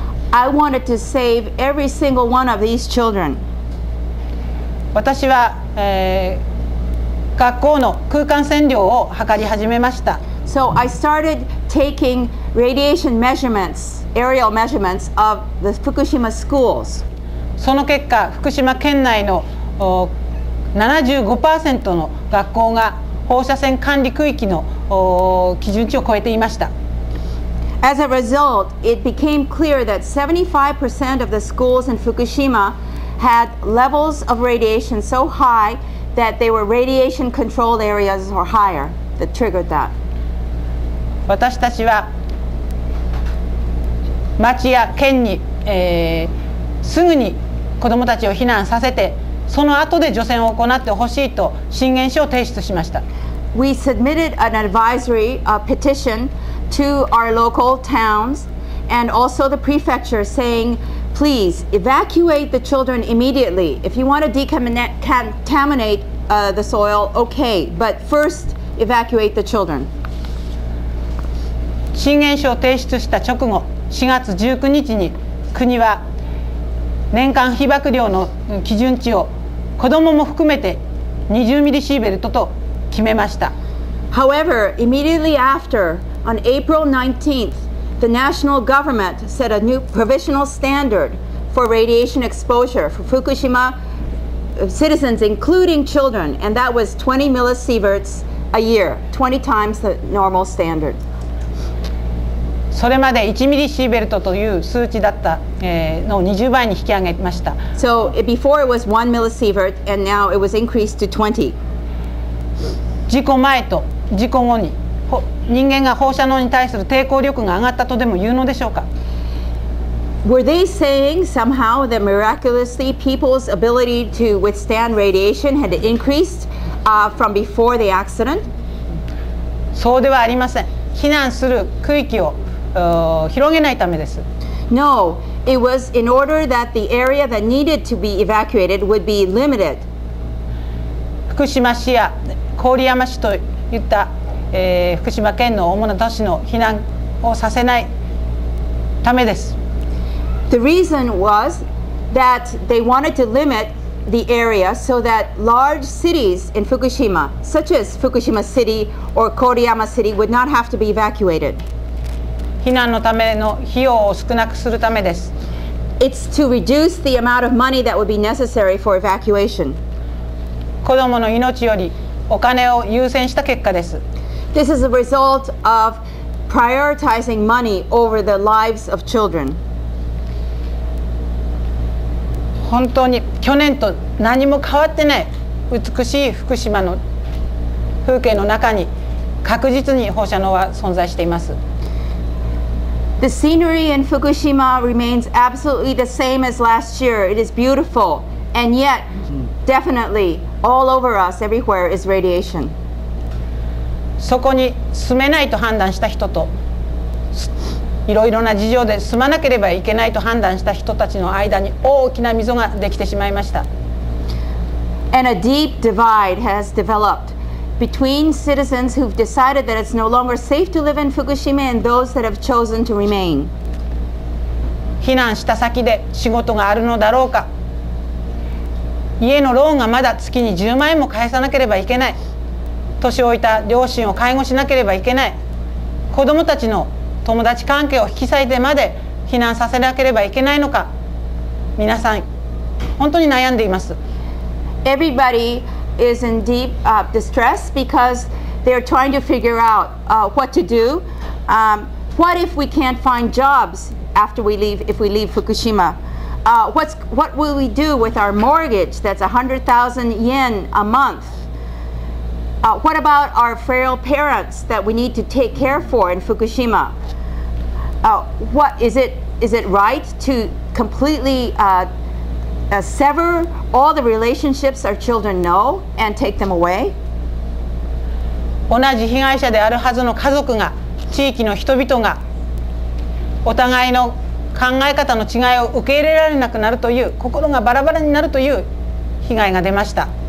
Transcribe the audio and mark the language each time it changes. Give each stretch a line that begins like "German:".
English: I wanted to save every single one of these children.
Japanese: 私は、学校の空間線量を測り始めました。
English: So I started taking radiation measurements, aerial measurements of the Fukushima schools.
Japanese: その結果、福島県内の 75% の学校が放射線管理区域の基準値を超えていました。
English: As a result, it became clear that 75% of the schools in Fukushima had levels of radiation so high that they were radiation control areas or higher that triggered that.
Japanese: 私たちは町や県に、すぐに子どもたちを避難させて、その後で除染を行ってほしいと進言書を提出しました。
English: We submitted an advisory, a petition. To our local towns and also the prefecture saying, please evacuate the children immediately. If you want to decontaminate, the soil, okay, but first evacuate the children.
Japanese: 進言書を提出した直後、4月19日に国は年間被曝量の基準値を子どもも含めて20ミリシーベルトと決めました。
English: However, immediately afterOn April 19th, the national government set a new provisional standard for radiation exposure for Fukushima citizens, including children, and that was 20 millisieverts a year, 20 times the normal standard.
Japanese: それまで1ミリシーベルトという数値だったのを20倍に引き上げました。
English: So before it was 1 millisievert, and now it was increased to 20.
Japanese: 事故前と事故後に人間が放射能に対する抵抗力が上がったとでも言うのでしょうか。
English: Were they saying somehow that miraculously people's ability to withstand radiation had increased from before the accident?
Japanese: そうではありません。避難する区域を広げないためです。
English: No, it was in order that the area that needed to be evacuated would be limited.
Japanese: 福島市や郡山市といった、福島県の主な都市の避難をさせないためです。
English: The reason was that they wanted to limit the area so that large cities in Fukushima, such as Fukushima City or Koriyama City, would not have to be evacuated.
Japanese: 避難のための費用を少なくするためです。
English: It's to reduce the amount of money that would be necessary for evacuation.
Japanese: 子どもの命よりお金を優先した結果です。
English: This is a result of prioritizing money over the lives of children.
Japanese: 本当に去年と何も変わってない美しい福島の風景の中に確実に放射能は存在しています。
English: The scenery in Fukushima remains absolutely the same as last year. It is beautiful, and yet, definitely, all over us, everywhere is radiation.
Japanese: そこに住めないと判断した人と、いろいろな事情で住まなければいけないと判断した人たちの間に大きな溝ができてしまいました。
English: And a deep divide has developed between citizens who've decided that it's no longer safe to live in Fukushima and those that have chosen to remain.
Japanese: 避難した先で仕事があるのだろうか、家のローンがまだ月に10万円も返さなければいけない、年老いた両親を介護しなければいけない、子どもたちの友達関係を引き裂いてまで避難させなければいけないのか、皆さん本当に悩んでいます。
English: Everybody is in deep distress because they're trying to figure out what to do. What if we can't find jobs after we leave? If we leave Fukushima, what will we do with our mortgage? That's 100,000 yen a month. What about our frail parents that we need to take care for in Fukushima? Is it right to completely sever all the relationships our children know and take them away?
Japanese: 同じ被害者であるはずの家族が、地域の人々が、お互いの考え方の違いを受け入れられなくなるという、心がバラバラになるという被害が出ました。